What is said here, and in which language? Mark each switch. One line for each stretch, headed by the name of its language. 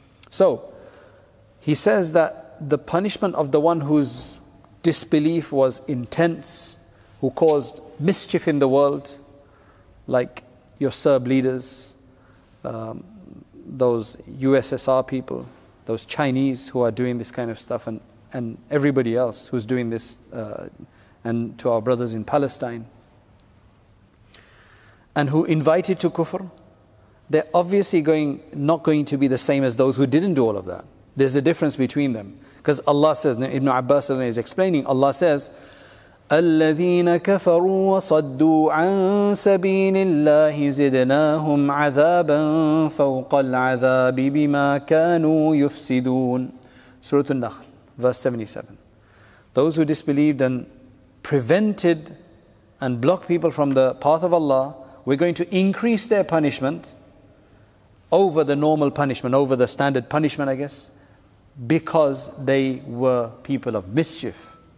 English: So, he says that the punishment of the one whose disbelief was intense, who caused mischief in the world, like your Serb leaders, those USSR people, those Chinese who are doing this kind of stuff, and everybody else who's doing this, and to our brothers in Palestine, and who invited to kufr, they're obviously not going to be the same as those who didn't do all of that. There's a difference between them. Because Allah says, Ibn Abbas is explaining, Allah says,
Arabic: أَلَّذِينَ كَفَرُوا وَصَدُّوا عَن سَبِيلِ اللَّهِ زِدْنَاهُمْ عَذَابًا فَوْقَ الْعَذَابِ بِمَا كَانُوا يُفْسِدُونَ.
English: Surah An-Nakhl, verse 77. Those who disbelieved and prevented and blocked people from the path of Allah, we're going to increase their punishment over the normal punishment, over the standard punishment, I guess, because they were people of mischief.